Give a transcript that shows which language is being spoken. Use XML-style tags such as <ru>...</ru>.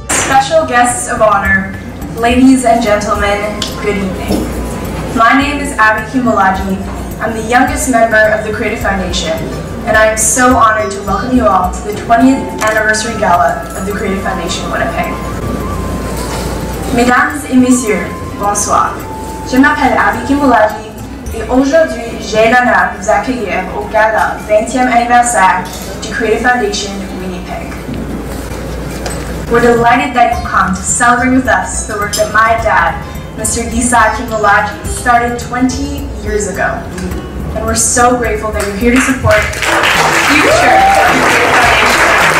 <en>Special guests of honor, ladies and gentlemen, good evening. My name is Abby Humalaji. I'm the youngest member of the Creative Foundation, and I am so honored to welcome you all to the 20th anniversary gala of the Creative Foundation Winnipeg.</en> <fr>Mesdames et messieurs, bonsoir. Je m'appelle Abby Humalaji, et aujourd'hui j'ai l'honneur de vous accueillir au gala 20e anniversaire du Creative Foundation.</fr> <en>We're delighted that you come to celebrate with us the work that my dad, Mr. Isa Akimolaji, started 20 years ago. And we're so grateful that you're here to support the future of the Creative Foundation.</en>